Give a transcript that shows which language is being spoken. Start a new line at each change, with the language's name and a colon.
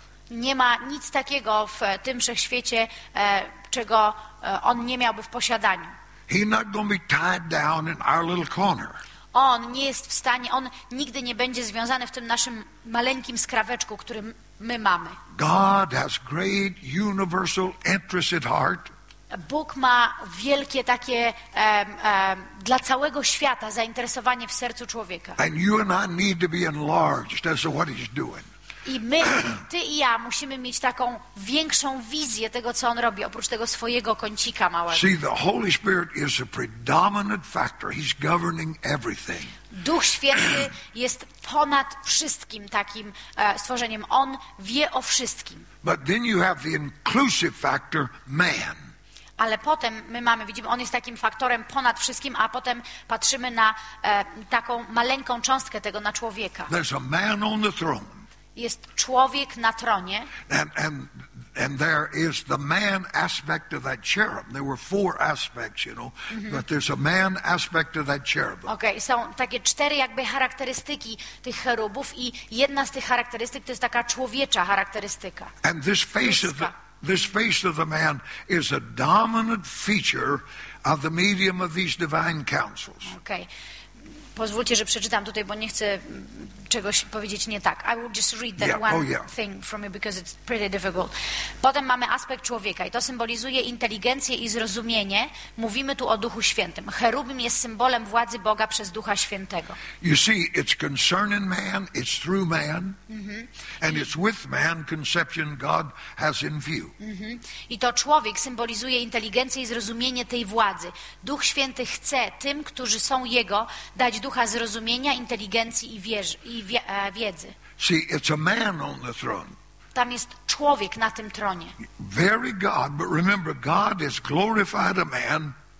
Polish: Nie ma nic takiego w tym wszechświecie, czego on nie miałby w posiadaniu.
English: He's not gonna be tied down in our little corner.
Polish: On nie jest w stanie, on nigdy nie będzie związany w tym naszym maleńkim skraweczku, który my mamy.
English: God has great universal interest at heart.
Polish: Bóg ma wielkie takie dla całego świata zainteresowanie w sercu człowieka.
English: And you and I need to be enlarged as to what he's doing.
Polish: I my, ty i ja musimy mieć taką większą wizję tego, co on robi, oprócz tego swojego kącika małego.
English: See, the Holy Spirit is a predominant factor. He's governing everything.
Polish: Duch Święty jest ponad wszystkim takim stworzeniem. On wie o wszystkim.
English: But then you have the inclusive factor, man.
Polish: Ale potem my mamy, widzimy, on jest takim faktorem ponad wszystkim, a potem patrzymy na taką maleńką cząstkę tego, na człowieka.
English: There's a man on the throne.
Polish: Jest człowiek na tronie.
English: And there is the man aspect of that cherub. There were four aspects, you know, mm-hmm. But there's a man aspect of that cherub.
Polish: Okay, są takie cztery jakby charakterystyki tych cherubów i jedna z tych charakterystyk to jest taka człowiecza charakterystyka.
English: And this face of the man is a dominant feature of the medium of these divine counsels. Okay.
Polish: Pozwólcie, że przeczytam tutaj, bo nie chcę czegoś powiedzieć nie tak.
English: I will just read that thing from you because it's pretty difficult.
Polish: Potem mamy aspekt człowieka i to symbolizuje inteligencję i zrozumienie. Mówimy tu o Duchu Świętym. Cherubim jest symbolem władzy Boga przez Ducha Świętego.
English: You see, it's concerning man, it's through man, mm-hmm. and it's with man conception God has in view. Mm-hmm.
Polish: I to człowiek symbolizuje inteligencję i zrozumienie tej władzy. Duch Święty chce tym, którzy są Jego, dać ducha zrozumienia, inteligencji i wiedzy.
English: See, it's a man on the throne.
Polish: Tam jest człowiek na tym tronie.
English: Very God, but remember, God is glorified a man.